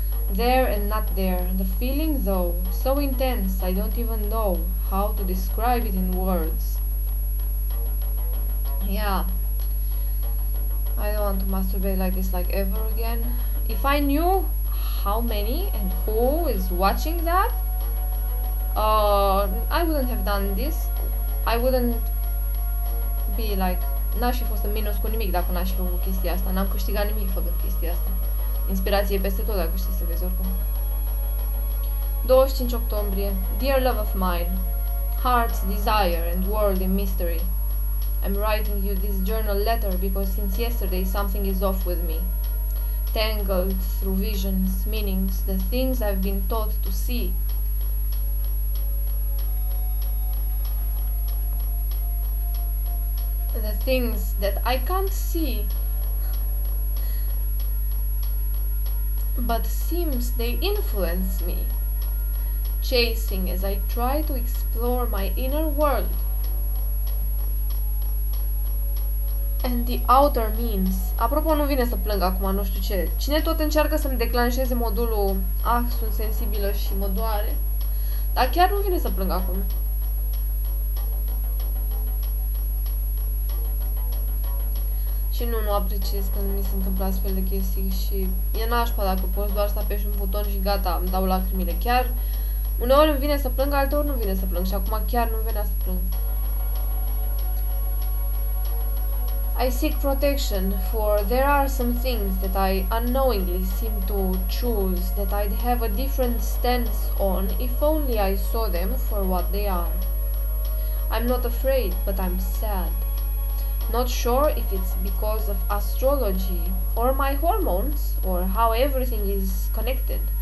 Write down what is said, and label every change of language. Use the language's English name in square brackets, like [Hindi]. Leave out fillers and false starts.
[English] There and not there, the feeling though, so intense, I don't even know how to describe it in words. Yeah, I don't want to masturbate like this like ever again. If I knew how many and who is watching that, I wouldn't have done this. I wouldn't be like, [Romanian] n-aș fi fost în minus cu nimic dacă n-aș fi făcut chestia asta, n-am câștigat nimic făcând chestia asta. Inspirație peste tot, dacă știi să vezi oricum. 25 octombrie. [English] Dear love of mine, heart's desire and worldly mystery. I'm writing you this journal letter because since yesterday something is off with me. Tangled through visions, meanings, the things I've been taught to see. The things that I can't see. But seems they influence me, chasing as I try to explore my inner world and the outer means. [Romanian] Apropo, nu vine să plâng acum, nu știu ce. Cine tot încearcă să-mi declanșeze modulul ah, sunt sensibilă și mă doare. Dar chiar nu vine să plâng acum. Și nu apreciez când mi se întâmplă astfel de chestii și e nașpa dacă poți doar să apeși un buton și gata, îmi dau lacrimile. Chiar uneori îmi vine să plâng, alteori nu vine să plâng și acum chiar nu venea să plâng. [English] I seek protection, for there are some things that I unknowingly seem to choose that I'd have a different stance on if only I saw them for what they are. I'm not afraid, but I'm sad. Not sure if it's because of astrology or my hormones or how everything is connected.